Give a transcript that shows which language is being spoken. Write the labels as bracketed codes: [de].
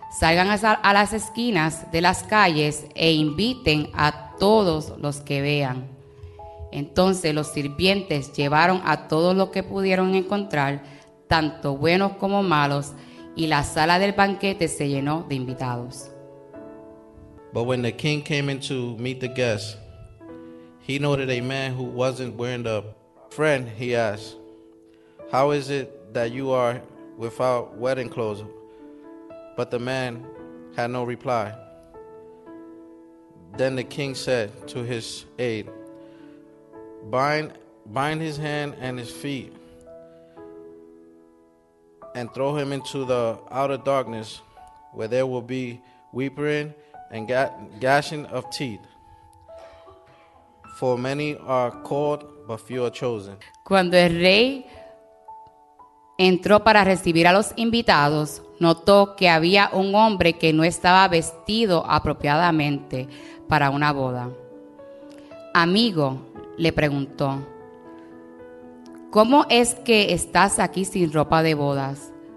[es] salgan a las esquinas de las calles e inviten a todos los que vean. Entonces los sirvientes llevaron a todos los que pudieron encontrar, tanto buenos como malos, y la sala del banquete se llenó de invitados. [en] But when the king came in to meet the guests, he noted a man who wasn't wearing the friend. He asked, "How is it that you are without wedding clothes?" But the man had no reply. Then the king said to his aide, Bind his hand and his feet and throw him into the outer darkness where there will be weeping and gnashing of teeth. For many are called, but few are chosen." [es] Cuando el rey entró para recibir a los invitados, notó que había un hombre que no estaba vestido apropiadamente para una boda. "Amigo," le preguntó, "¿cómo es que estás aquí sin ropa de bodas?"